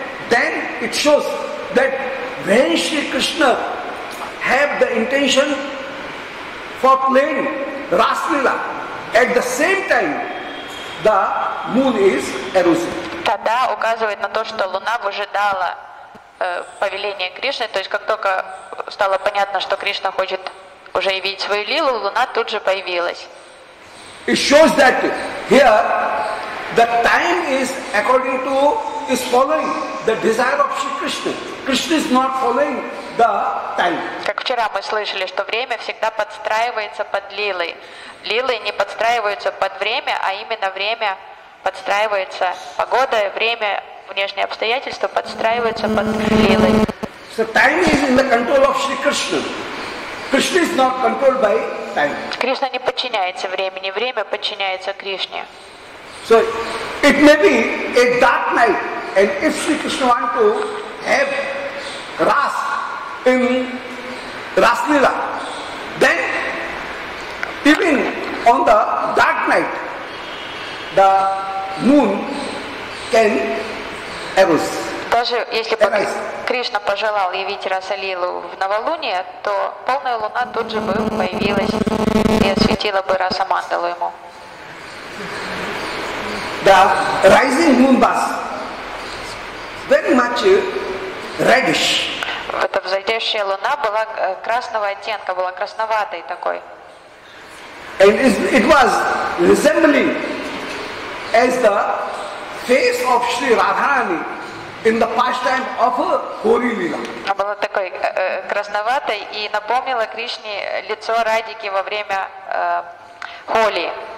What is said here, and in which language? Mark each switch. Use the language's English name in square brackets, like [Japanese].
[English] Then it shows that when Shri Krishna have the intention for playing Raslila, at the same time the moon is arisen. [Russian] Tada указывает на то, что луна выжидала повеление Кришны. То есть как только стало понятно, что Кришна хочет уже явить свою лилу, луна тут же появилась. [English] It shows that here the time is according to, is following the desire of Shri Krishna. Krishna is not following the time. [Russian] Как вчера мы слышали, что время всегда подстраивается под лилой. Лилы не подстраиваются под время, а именно время подстраивается, погода, время, внешние обстоятельства подстраиваются под лилой. [English] So time is in the control of Shri Krishna. Krishna is not controlled by time. [Russian] Кришна не подчиняется времени, время подчиняется Кришне. [English] So it may be a dark night, and if Shri Krishna want to have Ras in Raslila, then even on the dark night, the moon can arise. [Russian] Даже если бы Кришна пожелал явить Расалилу в новолуние, то полная луна тут же бы появилась и осветила бы Расамандалу ему. [English] The rising moon was very much reddish. [Russian] Эта взойдящая луна была красного оттенка, была красноватой такой. [English] And it was resembling as the face of Sri Radharani in the pastime of Hori Lila. [Russian] Она была такой красноватой и напомнила Кришне лицо Радики во время Холи.